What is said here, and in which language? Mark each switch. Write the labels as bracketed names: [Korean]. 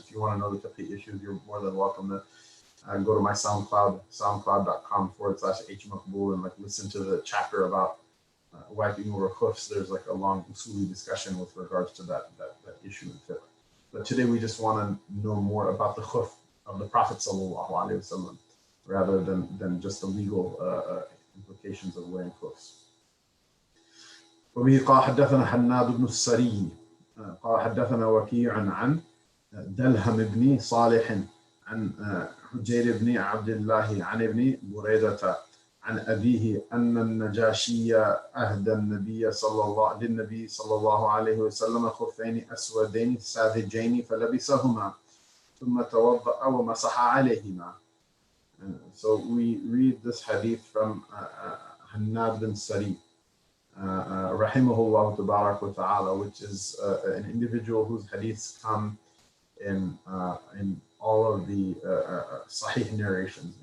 [English] If you want to know the fiqhi issues, you're more than welcome to go to my soundcloud.com/hmaqbul and like listen to the chapter about wiping over hoofs. There's like a long usuli discussion with regards to that issue in fiqh. But today we just want to know more about the hoof of the Prophet sallallahu alayhi wa sallam, rather than just the legal implications of wearing hoofs. [Arabic] وَبِهِ قَالَ حَدَّثَنَا حَنَّادُ بْنُ السَّرِيِّ قَالَ حَدَّثَنَا وَكِيعًا عَنْ دَلْهَمْ بْنِ صَالِحٍ عَنْ حُجَيْرِ بْنِ عَبْدِ اللَّهِ عَنْ ابْنِ بُرَيْدَةَ عَنْ أَبِيهِ أَنَّ النَّجَاشِيَّ أَهْدَى للنبي صلى الله عليه وسلم خفين أسودين ساذجين فلبسهما ثم توضأ ومسح عليهما. [English] So we read this hadith from Hannad bin Sari, rahimahullah tabarak wa ta'ala, which is an individual whose hadiths come in all of the sahih narrations.